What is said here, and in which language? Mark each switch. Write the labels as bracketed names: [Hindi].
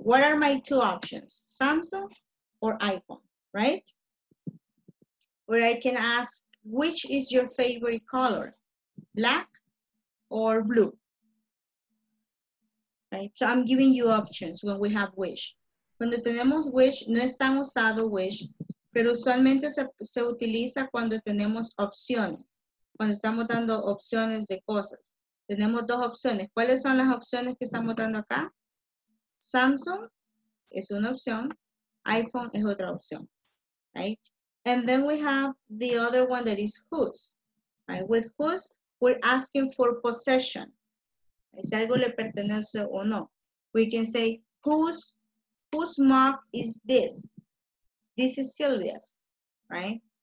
[English] What are my two options? Samsung or iPhone, right? Or I can ask, which is your favorite color? Black or blue, right? So I'm giving you options when we have wish. [Spanish] Cuando tenemos wish, no es tan usado wish, pero usualmente se utiliza cuando tenemos opciones, cuando estamos dando opciones de cosas. Tenemos dos opciones. ¿Cuáles son las opciones que estamos dando acá? Samsung es una opción, iPhone es otra opción, right? [English] And then we have the other one that is whose, right? With whose, we're asking for possession. [Spanish] ¿Es algo le pertenece o no? [English] We can say, whose mug is this? This is Sylvia's, right?